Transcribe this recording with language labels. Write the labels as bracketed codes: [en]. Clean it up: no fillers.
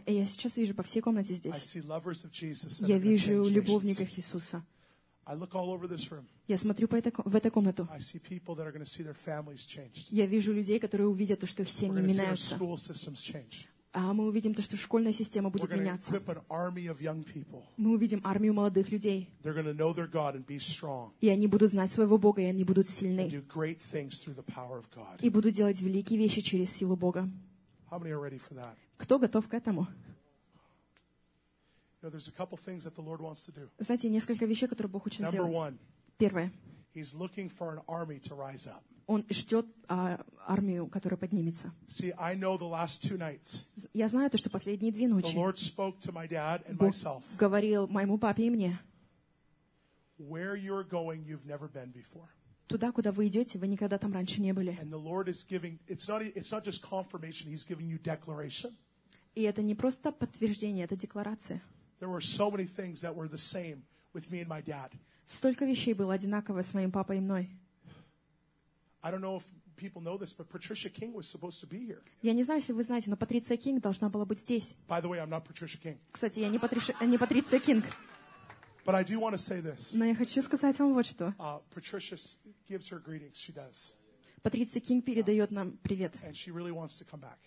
[ru] Я сейчас вижу по всей комнате здесь. [en] I see lovers of Jesus. [ru] Я вижу любовников Иисуса. [en] I look all over this room. [ru] Я смотрю в эту комнату. [en] I see people that are going to see their families changed. [ru] Я вижу людей, которые увидят то, что их семьи меняются. [en] School systems change. [ru] А мы увидим то, что школьная система будет меняться. [en] We're going to equip an army of young people. [ru] Мы увидим армию молодых людей. [en] They're going to know their God and be strong. [ru] И они будут знать своего Бога, и они будут сильны. [en] And do great things through the power of God. [ru] И будут делать великие вещи через силу Бога. [en] How many are ready for that? [ru] Кто готов к этому? [en] You know, there's a couple things that the Lord wants to do. [ru] Знаете, несколько вещей, которые Бог хочет [en] Number [ru] сделать. [en] One. [ru] Первое. [en] He's looking for an army to rise up. [ru] Он ждет армию, которая поднимется. [en] See, I know the last two nights. [ru] Я знаю то, что последние две ночи [en] the Lord spoke to my dad and [ru] Бог [en] myself. [ru] Говорил моему папе и мне. [en] Where you're going, you've never been before. [ru] Туда, куда вы идете, вы никогда там раньше не были. [en] And the Lord is giving, it's not just confirmation, he's giving you declaration. [ru] И это не просто подтверждение, это декларация. [en] There were so many things that were the same with me and my dad. [ru] Столько вещей было одинаково с моим папой и мной. [en] I don't know if people know this, but Patricia King was supposed to be here. [ru] Я не знаю, если вы знаете, но Патриция Кинг должна была быть здесь. [en] By the way, I'm not Patricia King. [ru] Кстати, я не Патриция Кинг. [en] But I do want to say this. [ru] Но я хочу сказать вам вот что. [en] Patricia gives her greetings. She does. [ru] Патриция Кинг передает нам привет. [en] And she really wants to come back.